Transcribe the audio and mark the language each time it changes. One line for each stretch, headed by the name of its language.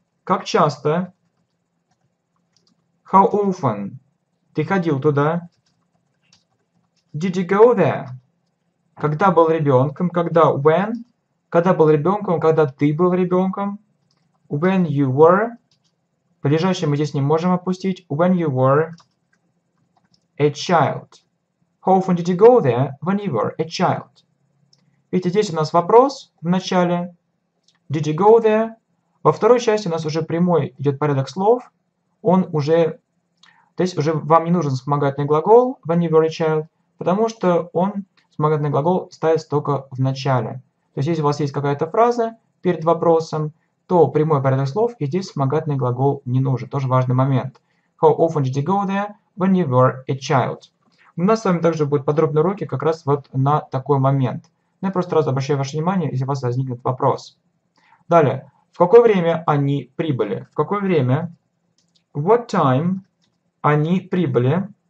Russian: Как часто?
English: How often
Russian: ты ходил туда?
English: Did you go there?
Russian: Когда был ребенком? Когда?
English: When?
Russian: Когда был ребенком? Когда ты был ребенком?
English: When you were.
Russian: Подлежащее мы здесь не можем опустить.
English: When you were a child. How often did you go there when you were a child?
Russian: Видите, здесь у нас вопрос в начале.
English: Did you go there?
Russian: Во второй части у нас уже прямой идет порядок слов. Он уже... То есть уже вам не нужен вспомогательный глагол
English: when you were a child,
Russian: потому что он, вспомогательный глагол, ставится только в начале. То есть если у вас есть какая-то фраза перед вопросом, то прямой порядок слов, и здесь вспомогательный глагол не нужен. Тоже важный момент.
English: How often did you go there when you were a child?
Russian: У нас с вами также будут подробные уроки как раз вот на такой момент. Но я просто сразу обращаю ваше внимание, если у вас возникнет вопрос. Далее. В какое время они прибыли? В какое время?
English: What time?
Russian: Они прибыли.